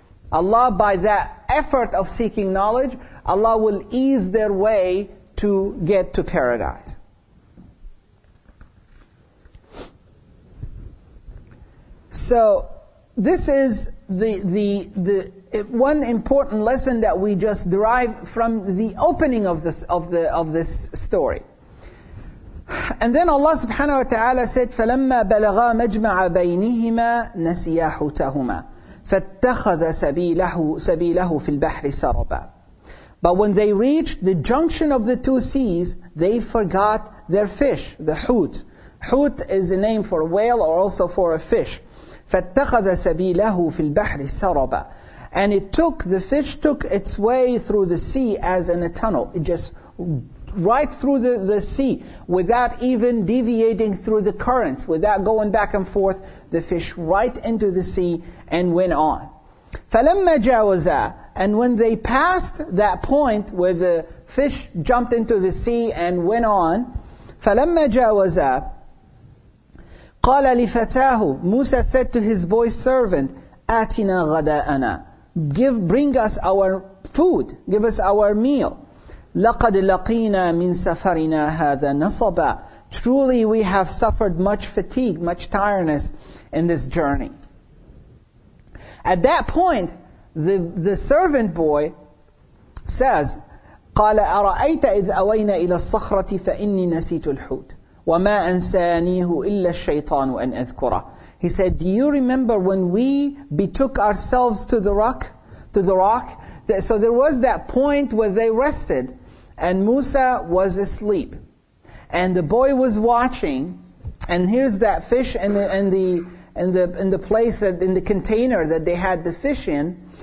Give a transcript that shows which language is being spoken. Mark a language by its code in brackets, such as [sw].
[en] Allah, by that effort of seeking knowledge, Allah will ease their way to get to paradise. So this is the one important lesson that we just derive from the opening of this story. And then Allah subhanahu wa ta'ala said, [ar] فَلَمَّا بَلَغَا مَجْمَعَ بَيْنِهِمَا نَسِيَا حُوتَهُمَا فَاتَّخَذَ سَبِيلَهُ فِي الْبَحْرِ سَرَبًا. [en] But when they reached the junction of the two seas, they forgot their fish, the hoot. Hoot is a name for a whale or also for a fish. [ar] فَاتَّخَذَ سَبِيلَهُ فِي الْبَحْرِ سَرَبًا. [en] And it took, the fish took its way through the sea as in a tunnel. It just right through the sea, without even deviating through the currents, without going back and forth, the fish right into the sea and went on. [ar] فَلَمَّا جَاوَزَا. [en] And when they passed that point where the fish jumped into the sea and went on, [ar] فَلَمَّا جَاوَزَا قَالَ لِفَتَاهُ. [en] Musa said to his boy servant, [ar] أَتِنَا غَدَاءَنَا. [en] Bring us our food, give us our meal. [ar] لَقَدْ لَقِينَا مِنْ سَفَرِنَا هَذَا نَصَبًا. [en] Truly we have suffered much fatigue, much tiredness in this journey. At that point, the servant boy says, [ar] قَالَ أَرَأَيْتَ إِذْ أَوَيْنَا إِلَى الصَّخْرَةِ فَإِنِّي نَسِيتُ الْحُوتِ وَمَا أَنْسَانِيهُ إِلَّا الشَّيْطَانُ أَنْ أَذْكُرَهُ. [en] He said, do you remember when we betook ourselves to the rock? So there was that point where they rested, and Musa was asleep, and the boy was watching, and here's that fish in the place that in the container that they had the fish in.